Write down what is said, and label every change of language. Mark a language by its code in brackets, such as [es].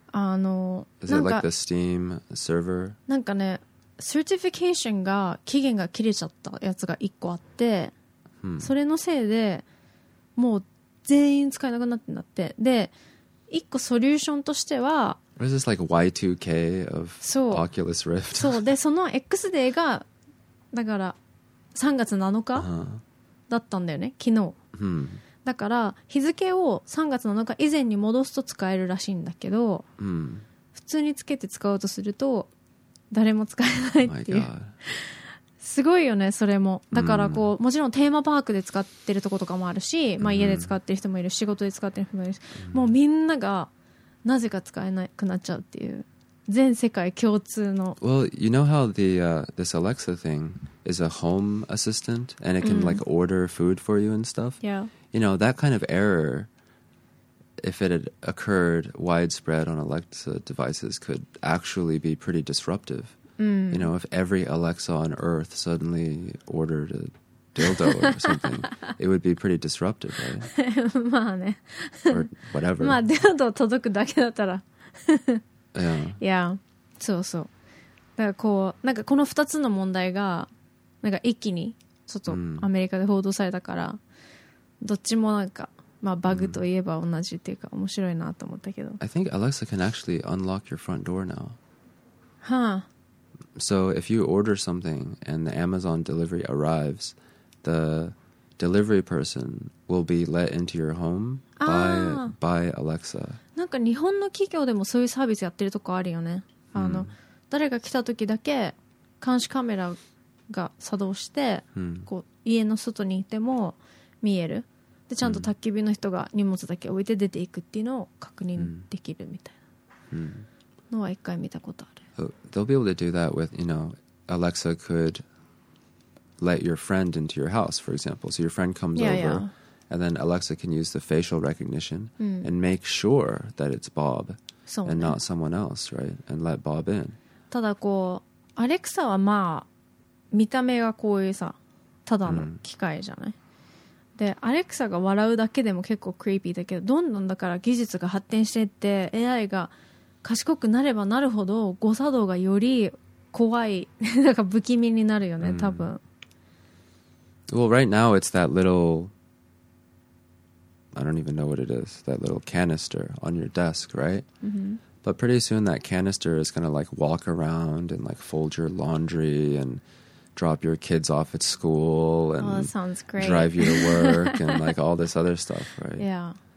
[en] あの、 Is it like the Steam server? [ja] なんかね、certification が期限が切れちゃったやつが一個あって、それのせいでもう全員使えなくなってんだって。で、一個ソリューションとしては、 [en] Is this like Y2K of Oculus Rift? [ja] そう。で、その X デーがだから3月7日だったんだよね、昨日。だから日付を3月7日以前に戻すと使えるらしいんだけど、うん、普通につけて使おうとすると誰も使えないっていう、すごいよねそれも。だからこう、うん、もちろんテーマパークで使ってるとことかもあるし、まあ、家で使ってる人もいる、仕事で使ってる人もいるし、うん、もうみんながなぜか使えなくなっちゃうっていう全世界共通の。 [en] Well, you know how the, this Alexa thing is a home assistant and it can、うん、like order food for you and stuff? Yeah. You know, that kind of error, if it had occurred widespread on Alexa devices, could actually be pretty disruptive.、 Mm. You know, if every Alexa on Earth suddenly ordered a dildo or something, it would be pretty disruptive, right? [ja] まあね。 [en] Or whatever. [ja] まあ、dildo 届くだけだったら。 [en] Yeah. [ja] Yeah, そうそう。だからこう、なんかこの2つの問題が、なんか一気に、ちょっとアメリカで報道されたから、どっちもなんかまあ、バグといえば同じっていうか面白いなと思ったけど。 [en] I think Alexa can actually unlock your front door now. Huh. So if you order something and the Amazon delivery arrives, the delivery person will be let into your home by Alexa. [ja] なんか日本の企業でもそういうサービスやってるとこあるよね。あの、誰が来た時だけ監視カメラが作動して、こう家の外にいても見える。でちゃんと宅急便の人が荷物だけ置いて出ていくっていうのを確認できるみたいなのは一回見たことある。 [en] They'll be able to do that with, you know, Alexa could let your friend into your house, for example. So your friend comes over, and then Alexa can use the facial recognition and make sure that it's Bob and not someone else, right? And let Bob in. [ja] ただこう、アレクサはまあ、見た目がこういうさ、ただの機械じゃない。で、アレクサが笑うだけでも結構クリーピーだけど、どんどんだから技術が発展していって、AI が賢くなればなるほど誤作動がより怖いなんか不気味になるよね、多分。 [en] Well, right now it's that little, I don't even know what it is, that little canister on your desk, right? But pretty soon that canister is going to like walk around and like fold your laundry and drop your kids off at school and drive you to work and like all this other stuff, right?